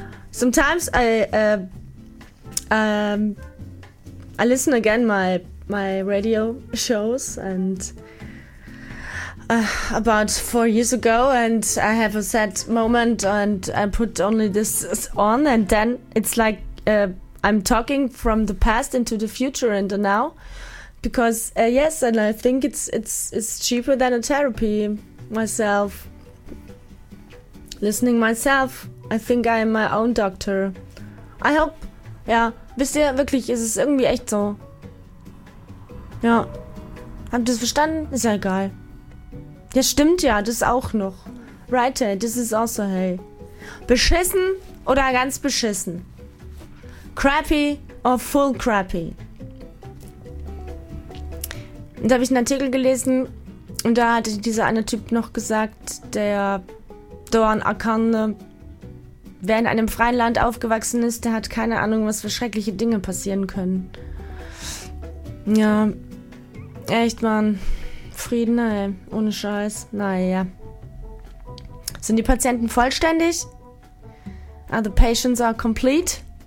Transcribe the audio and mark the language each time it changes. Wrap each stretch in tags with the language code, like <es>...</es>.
<en>Sometimes I listen again my radio shows and about 4 years ago, and I have a sad moment and I put only this on, and then it's like I'm talking from the past into the future and the now, because yes, and I think it's cheaper than a therapy myself. Listening myself, I think I'm my own doctor. I hope.</en> <de>Ja, wisst ihr, wirklich, ist es irgendwie echt so. Ja. Habt ihr es verstanden? Ist ja egal. Ja, stimmt ja, das auch noch.</de> <en>Right, hey, this is also hey.</en> <de>Beschissen oder ganz beschissen?</de> <en>Crappy or full crappy?</en> <de>Und da habe ich einen Artikel gelesen und da hatte dieser eine Typ noch gesagt, der Doan Akande, wer in einem freien Land aufgewachsen ist, der hat keine Ahnung, was für schreckliche Dinge passieren können. Ja, echt, Mann. Frieden, ey. Ohne Scheiß. Naja. Sind die Patienten vollständig?</de> <en>Are the patients are complete?</en>